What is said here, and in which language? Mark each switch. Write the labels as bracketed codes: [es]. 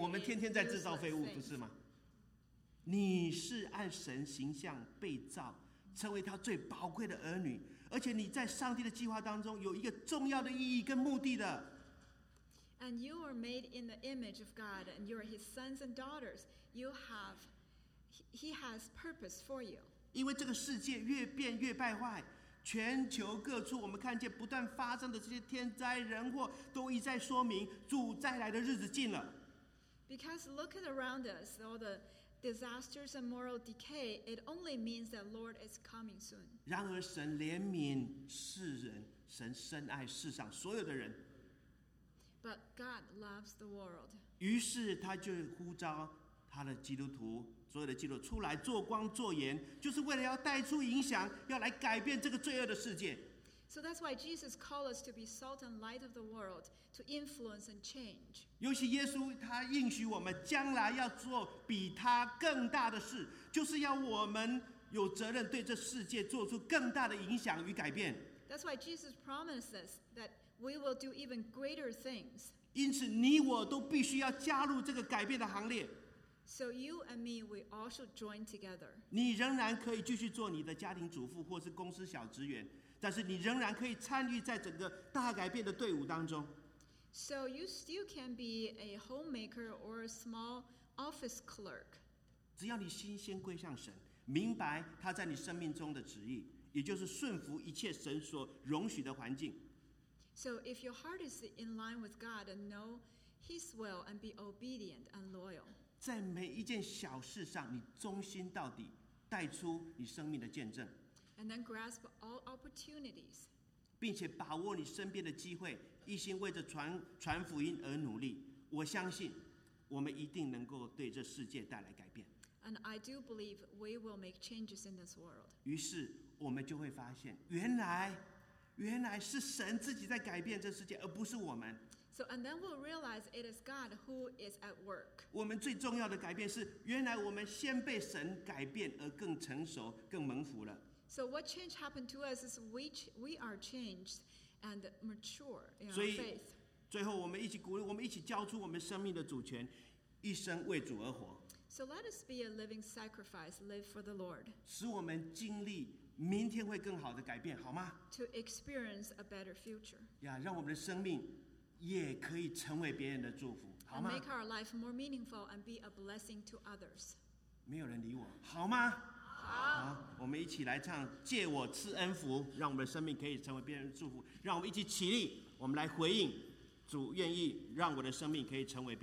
[zh] 我们天天在制造废物，不是吗？你是按神形象被造，成为他最宝贵的儿女。而且你在上帝的计划当中有一个重要的意义跟目的的。 [en] And you are made in the image of God, and you are His sons and daughters. You have, He has purpose for you. [zh] 因为这个世界越变越败坏，全球各处我们看见不断发生的这些天灾人祸，都一再说明主再来的日子近了。 [en] Because looking around us, all the disasters and moral decay, it only means that Lord is coming soon. [zh] 然而神怜悯世人，神深爱世上所有的人。 [en] But God loves the world. [zh] 于是他就呼召他的基督徒，所有的基督徒出来做光做盐，就是为了要带出影响，要来改变这个罪恶的世界。 [en] So that's why Jesus called us to be salt and light of the world, to influence and change. [zh] 尤其耶稣他应许我们将来要做比他更大的事，就是要我们有责任对这世界做出更大的影响与改变。 [en] That's why Jesus promises that we will do even greater things. [zh] 因此你我都必须要加入这个改变的行列。 [en] So you and me, we all should join together. [zh] 你仍然可以继续做你的家庭主妇或是公司小职员，但是你仍然可以参与在整个大改变的队伍当中。 [en] So you still can be a homemaker or a small office clerk. [zh] 只要你心先归向神，明白他在你生命中的旨意，也就是顺服一切神所容许的环境。 [en] So if your heart is in line with God and know His will and be obedient and loyal. [zh] 在每一件小事上，你忠心到底，带出你生命的见证。 [en] And then grasp all opportunities. [zh] 并且把握你身边的机会，一心为着传福音而努力。我相信，我们一定能够对这世界带来改变。 [en] And I do believe we will make changes in this world. [zh] 于是我们就会发现，原来是神自己在改变这世界，而不是我们。 [en] So and then we'll realize it is God who is at work. [zh] 我们最重要的改变是，原来我们先被神改变而更成熟、更蒙福了。 [en] So what change happened to us is we are changed and mature in our faith. [zh] 所以最后我们一起鼓励，我们一起交出我们生命的主权，一生为主而活。 [en] So let us be a living sacrifice, live for the Lord. [zh] 使我们经历明天会更好的改变，好吗？ [en] To experience a better future. [zh] 呀，让我们的生命也可以成为别人的祝福，好吗？ [en] And make our life more meaningful and be a blessing to others. [zh] 没有人理我，好吗？好，我们一起来唱《借我赐恩福》，让我们的生命可以成为别人的祝福。让我们一起起立，我们来回应主愿意让我的生命可以成为别人的祝福。